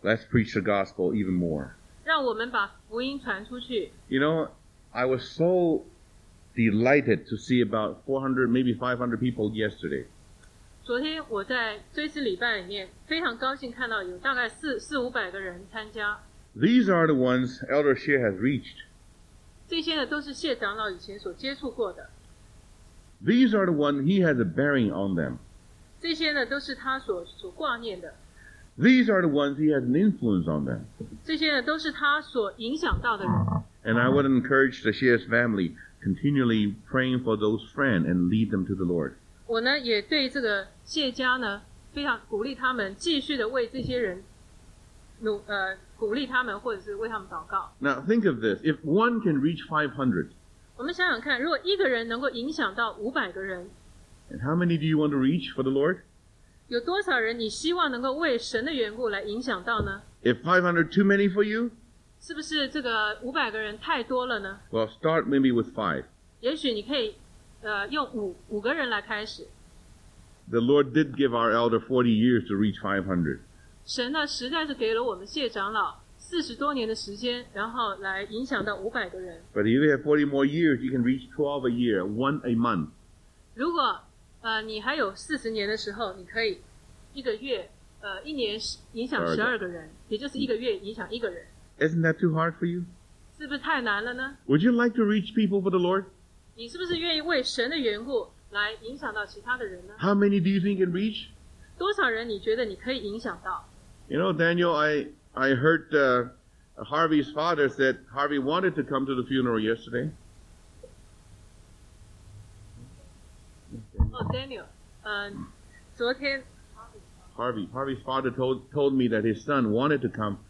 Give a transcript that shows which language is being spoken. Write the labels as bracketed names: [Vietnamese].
[English] Let's preach the gospel even more. [Chinese] 让我们把福音传出去。 [English] You know. I was so delighted to see about 400, maybe 500 people yesterday. [Chinese] 昨天我在追思礼拜里面非常高兴看到有大概四五百个人参加。 [English] These are the ones Elder Xie has reached. [Chinese] 这些呢都是谢长老以前所接触过的。 [English] These are the ones he has a bearing on them. [Chinese] 这些呢都是他所挂念的。 [English] These are the ones he has an influence on them. [Chinese] 这些呢都是他所影响到的人。 [English] And I would encourage the Xie's family continually praying for those friends and lead them to the Lord. [Chinese] 我呢也对这个谢家呢非常鼓励他们继续的为这些人鼓励他们或者是为他们祷告。 [English] Now think of this, if one can reach 500, [Chinese] 我们想想看，如果一个人能够影响到五百个人， [English] and how many do you want to reach for the Lord? [Chinese] 有多少人你希望能够为神的缘故来影响到呢？ [English] If 500 too many for you? [Chinese] 是不是这个500个人太多了呢？ [English] Well, start maybe with 5. [Chinese] 也许你可以用五个人来开始。 [English] The Lord did give our elder 40 years to reach 500. [Chinese] 神呢实在是给了我们谢长老40多年的时间，然后来影响到500个人。 [English] But if you have 40 more years, you can reach 12 a year, one a month. [Chinese] 如果你还有40年的时候，你可以一个月一年影响12个人，也就是一个月影响一个人。 [English] Isn't that too hard for you? [Chinese] 是不是太难了呢？ [English] Would you like to reach people for the Lord? [Chinese] 你是不是愿意为神的缘故来影响到其他的人呢？ [English] How many do you think you can reach? [Chinese] 多少人你觉得你可以影响到？ [English] You know, Daniel, I heard Harvey's father said Harvey wanted to come to the funeral yesterday. [Chinese] Oh, Daniel, 昨天 [English] Harvey's father told me that his son wanted to come.